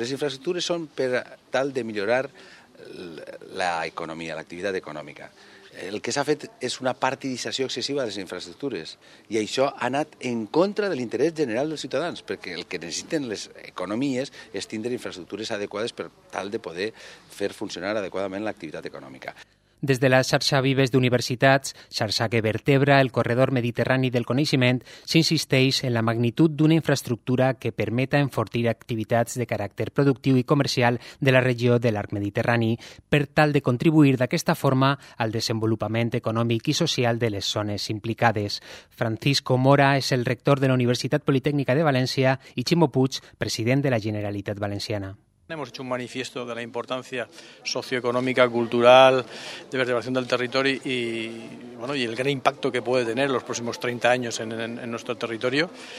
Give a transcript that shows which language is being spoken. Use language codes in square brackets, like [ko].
[es] Las infraestructuras son para tal de mejorar la economía, la actividad económica. [ca] El que s'ha fet és una partidització excessiva de les infraestructures i això ha anat en contra de l'interès general dels ciutadans, perquè el que necessiten les economies és tindre infraestructures adequades per tal de poder fer funcionar adequadament l'activitat econòmica. Des de la xarxa Vives d'Universitats, xarxa que vertebra el corredor mediterrani del coneixement, s'insisteix en la magnitud d'una infraestructura que permeta enfortir activitats de caràcter productiu i comercial de la regió de l'arc mediterrani, per tal de contribuir d'aquesta forma al desenvolupament econòmic i social de les zones implicades. Francisco Mora és el rector de la Universitat Politécnica de València i Ximo Puig, president de la Generalitat Valenciana. [es] Hemos hecho un manifiesto de la importancia socioeconómica, cultural, de vertebración del territorio y el gran impacto que puede tener los próximos 30 años en nuestro territorio.